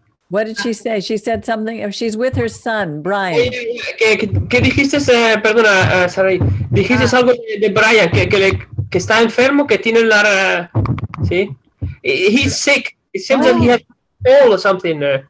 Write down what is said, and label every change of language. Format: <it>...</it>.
<en>What did she say? She said something, she's with her son, Brian.</en> <es>¿Qué dijiste, perdona, Sarai? ¿Dijiste algo de Brian, que está enfermo, que tiene la, sí?</es> <en>He's sick. It seems that he has cold or something.</en>